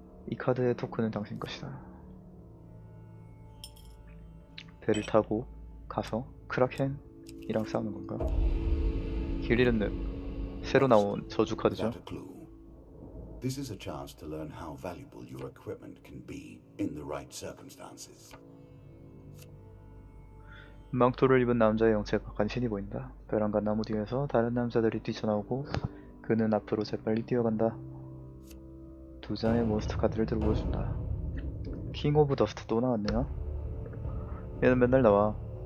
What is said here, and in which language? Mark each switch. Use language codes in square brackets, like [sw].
[ko] 이 카드의 토큰은 당신 것이다. 배를 타고 가서 크라켄이랑 싸우는 건가? 길 잃은 늪. 새로 나온 저주 카드죠. [en] This is a chance to learn how valuable your equipment can be in the right circumstances. [ko] 망토를 입은 남자의 형체가 간신히 보인다. 베란가 나무 뒤에서 다른 남자들이 뛰쳐나오고 그는 앞으로 재빨리 뛰어간다. 두 장의 몬스터 카드를 들고 보여준다. 킹 오브 더스트 또 나왔네요. 얘는 맨날 나와.